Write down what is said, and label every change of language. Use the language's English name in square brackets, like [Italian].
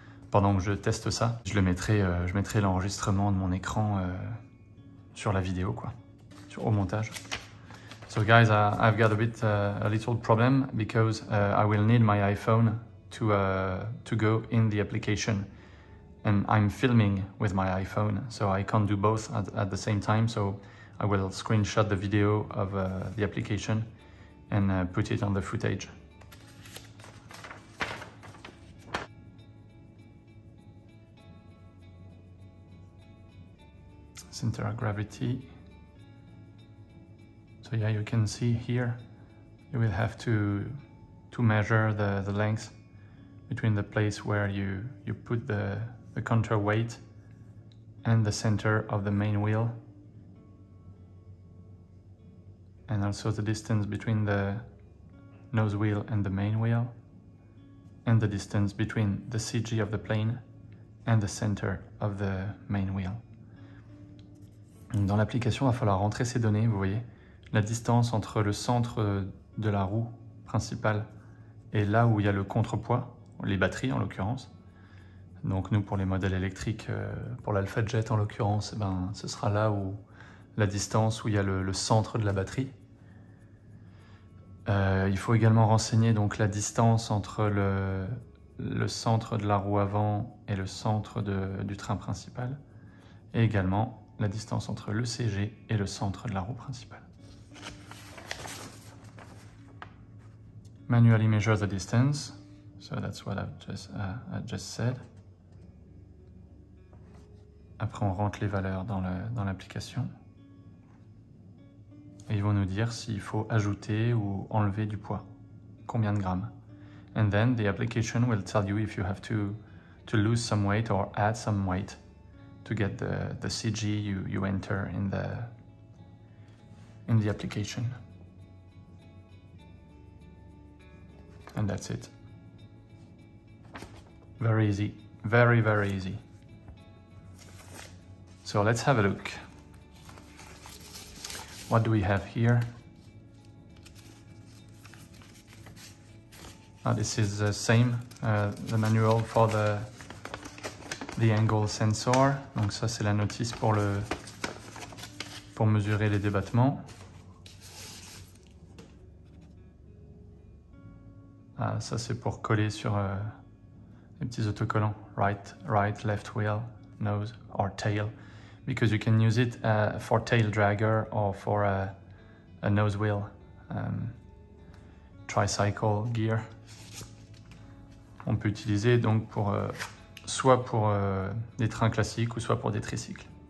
[French] Pendant que je teste ça, je mettrai l'enregistrement de mon écran sur la vidéo, quoi, au montage. [English] So guys, I've got a little problem because I will need my iPhone to go in the application, and I'm filming with my iPhone, so I can't do both at the same time. So I will screenshot the video of the application and put it on the footage. Center of gravity. So yeah, you can see here, you will have to measure the length between the place where you put the counter weight and the center of the main wheel. And also the distance between the nose wheel and the main wheel, and the distance between the CG of the plane and the center of the main wheel. [French] Dans l'application, il va falloir rentrer ces données, vous voyez, la distance entre le centre de la roue principale et là où il y a le contrepoids, les batteries en l'occurrence. Donc nous, pour les modèles électriques, pour l'AlphaJet en l'occurrence, ben, ce sera là où la distance où il y a le centre de la batterie. Il faut également renseigner donc la distance entre le centre de la roue avant et le centre du train principal, et également la distance entre le CG et le centre de la roue principale. [English] Manually measure the distance. So that's what I just said. [French] Après, on rentre les valeurs dans l'application. Et ils vont nous dire s'il faut ajouter ou enlever du poids. Combien de grammes. [English] And then the application will tell you if you have to lose some weight or add some weight to get the CG you enter in the application. And that's it. Very easy. Very, very easy. So let's have a look. What do we have here? This is the same, the manual for the angle sensor. [French] Donc ça, c'est la notice pour mesurer les débattements. Ça, c'est pour coller sur les petits autocollants. [English] Right, left wheel, nose or tail. Because you can use it for tail dragger or for a nose wheel tricycle gear. [French] On peut utiliser donc pour soit pour des trains classiques ou soit pour des tricycles.